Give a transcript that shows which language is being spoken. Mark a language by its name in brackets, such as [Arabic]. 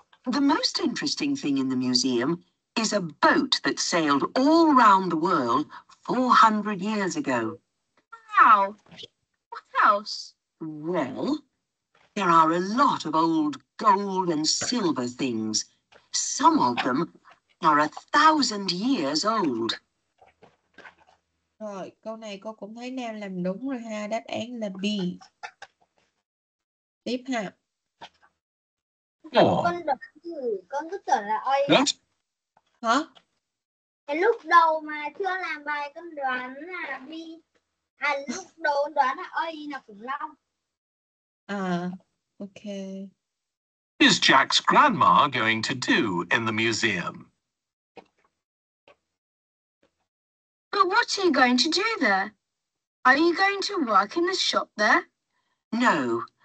[English] The most interesting thing in the museum is a boat that sailed all around the world 400 years ago. Wow. What else? Well, there are a lot of old gold and silver things. Some of them are 1,000 years old. [Vietnamese] Rồi, câu này cô cũng thấy Nam làm đúng rồi ha. Đáp án là B. Tiếp ha. Con cứ tưởng là ơi. Hả? Cái lúc đầu mà chưa làm bài con đoán là B. À, lúc đầu đoán là ơi là khủng long. À, ok. [English] What is Jack's grandma going to do in the museum? But what are you going to do there? Are you going to work in the shop there? No.